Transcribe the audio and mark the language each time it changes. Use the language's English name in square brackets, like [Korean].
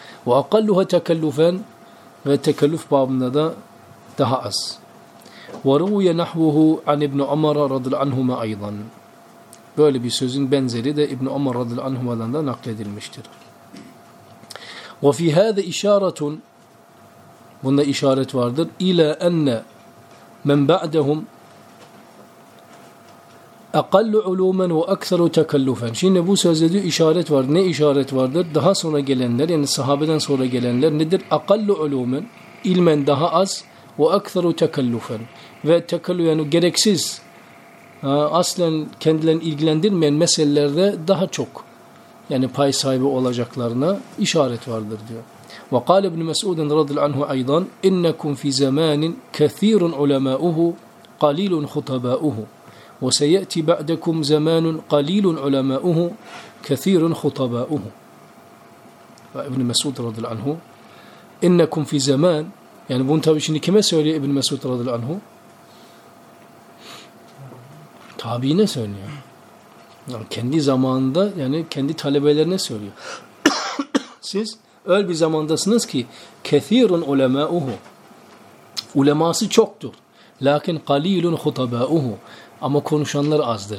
[Arabic] وَاَقَلُّهَا تَكَلُّفًا [Turkish] ve tekellüf babında da daha az. [Arabic] وَرُوْيَ نَحْوُهُ عَنْ اِبْنُ عَمَرَ رَضِلْ عَنْهُمَا اَيْضًا [Turkish] böyle bir sözün benzeri de İbn-i Umar رَضِلْ عَنْهُمَا'dan da nakledilmiştir. [Arabic] وَفِي هَذَا اِشَارَةٌ [Turkish] bunda işaret vardır. [Arabic] اِلَا اَنَّ مَنْ بَعْدَهُمْ اَقَلُّ عُلُومًا وَاَكْثَرُ تَكَلُّفًا [Turkish] şimdi bu sözde diyor, işaret var. Ne işaret vardır? Daha sonra gelenler, yani sahabeden sonra gelenler nedir? [Arabic] اَقَلُّ عُلُومًا [Turkish] ilmen daha az, [Arabic] وَاَكْثَرُ تَكَلُّفًا [Turkish] ve tekallu yani gereksiz, aslen kendilerini ilgilendirmeyen meselelerde daha çok yani pay sahibi olacaklarına işaret vardır diyor. [Arabic] وَقَالَ ابْنُ مَسْعُودٍ رَضِ الْعَنْهُ اَيْضًا اِنَّكُمْ فِي زَمَانٍ كَثِيرٌ عُلَمَاؤُهُ قَلِيلٌ خُطَبَاؤُهُ وَسَيَأْتِ بَعْدَكُمْ زَمَانٌ قَلِيلٌ عُلَمَاؤُهُ كَثِيرٌ خُطَبَاؤُهُ ابن مسعود رضي الله عنه إِنَّكُمْ فِي زَمَانٍ [Turkish] yani bunu tabii şimdi kime söylüyor [Arabic] ابن مسعود رضي الله عنه? [Turkish] Tabiine söylüyor. Yani kendi zamanında, yani kendi talebelerine söylüyor. Siz öyle bir zamandasınız ki [Arabic] كَثِيرٌ عُلَمَاؤُهُ [Turkish] uleması çoktur. [Arabic] لَكِنْ قَلِيلٌ خُطَبَاؤُهُ [Turkish] ama konuşanlar azdır.